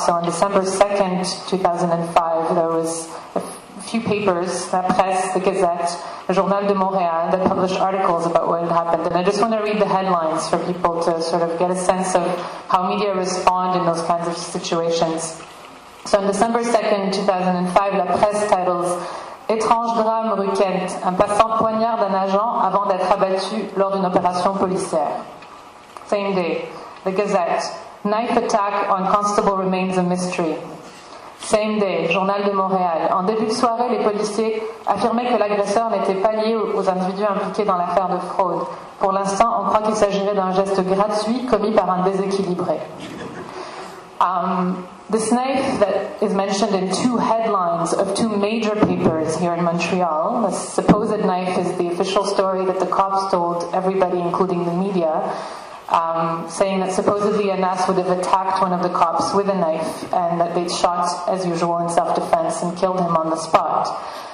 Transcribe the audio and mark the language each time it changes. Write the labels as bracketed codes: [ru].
[en] So on December 2nd, 2005, there was a few papers, La Presse, The Gazette, Le Journal de Montréal, that published articles about what had happened. And I just want to read the headlines for people to sort of get a sense of how media respond in those kinds of situations. So on December 2nd, 2005, La Presse titles, [fr] Étrange drame rue Kent, un passant poignard d'un agent avant d'être abattu lors d'une opération policière. [en] Same day, The Gazette, knife attack on constable remains a mystery. Same day, [fr] Journal de Montréal, en début de soirée, les policiers affirmaient que l'agresseur n'était pas lié aux individus impliqués dans l'affaire de fraude. Pour l'instant, on croit qu'il s'agirait d'un geste gratuit commis par un déséquilibré. [en] This knife that is mentioned in two headlines of two major papers here in Montreal, the supposed knife is the official story that the cops told everybody, including the media, saying that supposedly Anas would have attacked one of the cops with a knife and that they'd shot, as usual, in self-defense and killed him on the spot.